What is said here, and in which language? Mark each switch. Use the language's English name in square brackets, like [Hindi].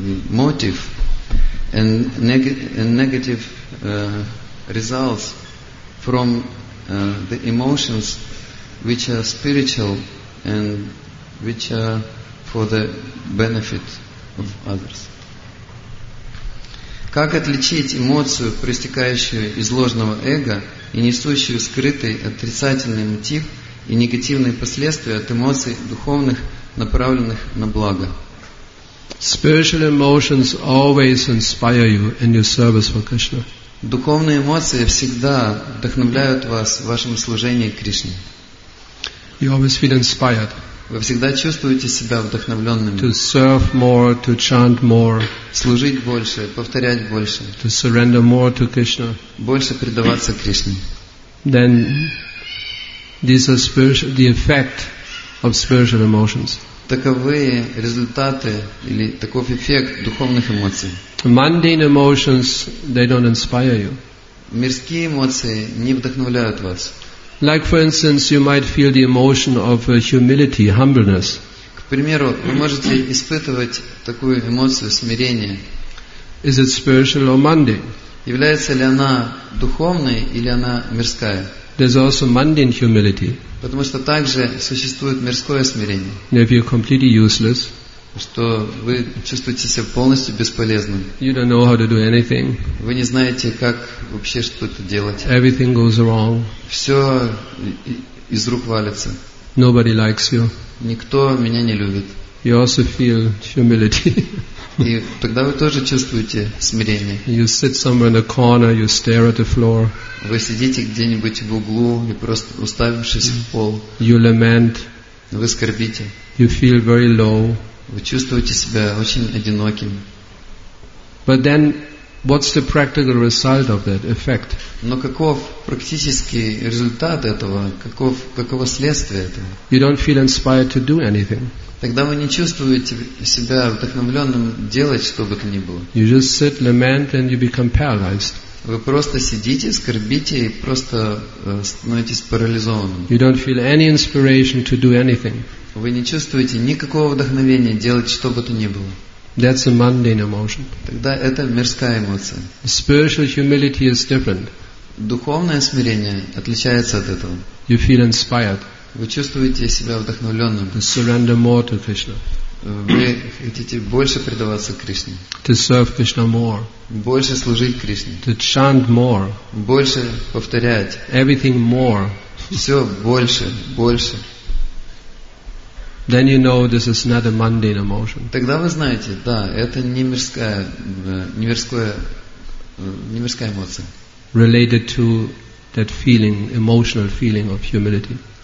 [English] motive and negative results from the emotions which are spiritual and which are for the benefit of others. [Russian] Как отличить эмоцию, проистекающую из ложного эго и несущую скрытый отрицательный мотив и негативные последствия от эмоций духовных, направленных на благо? [English] Spiritual emotions always inspire you in your service for Krishna. [Russian] Духовные эмоции всегда вдохновляют вас в вашем служении Кришне. [English] You always feel inspired. [Russian] Вы всегда чувствуете себя вдохновленным. [English] To serve more, to chant more. [Russian] Служить больше, повторять больше. [English] To surrender more to Krishna. [Russian] Больше предаваться Кришне. [English] Then these are spiritual, the effect of spiritual emotions. [Russian] Таковы результаты или таков эффект духовных эмоций. [English] Mundane emotions, they don't inspire you. [Russian] Мирские эмоции не вдохновляют вас. [English] Like, for instance, you might feel the emotion of humility, humbleness. [Russian] К примеру, вы можете испытывать такую эмоцию смирения. [English] Is it spiritual or mundane? [Russian] Является ли она духовной или она мирская? [English] There's also mundane humility. [Russian] Потому что также существует мирское смирение. [English] If you're completely useless, [Russian] что вы чувствуете себя полностью бесполезным. [English] You don't know how to do anything. [Russian] Вы не знаете, как вообще что-то делать. [English] Everything goes wrong. [Russian] Все из рук валится. [English] Nobody likes you. [Russian] Никто меня не любит. [English] You also feel humility. [Russian] И тогда вы тоже чувствуете смирение. [English] You sit somewhere in the corner, you stare at the floor. [Russian] Вы сидите где-нибудь в углу и просто уставившись в пол. [English] You lament. [Russian] Вы скорбите. [English] You feel very low. [Russian] Вы чувствуете себя очень одиноким. [English] But then, what's the practical result of that effect? [Russian] Но каков практический результат этого? Каково следствие этого? [English] You don't feel inspired to do anything. [Russian] Тогда вы не чувствуете себя вдохновленным делать что бы то ни было. [English] You just sit, lament, and you become paralyzed. [Russian] Вы просто сидите, скорбите и просто становитесь парализованным. [English] You don't feel any inspiration to do anything. [Russian] Вы не чувствуете никакого вдохновения делать что бы то ни было. [English] That's a mundane emotion. [Russian] Тогда это мирская эмоция. [English] Spiritual humility is different. [Russian] Духовное смирение отличается от этого. [English] You feel inspired. [Russian] Вы чувствуете себя вдохновленным. [English] To surrender more to Krishna. [Russian] Вы хотите больше предаваться Кришне. [English] To serve Krishna more. [Russian] Больше служить Кришне. [English] To chant more. [Russian] Больше повторять. [English] Everything more. [Russian] Все больше, больше. [English] Then you know this is not a mundane emotion. [Russian] Тогда вы знаете, да, это не мирская, не мирская эмоция. [English] Related to that feeling, emotional feeling of humility.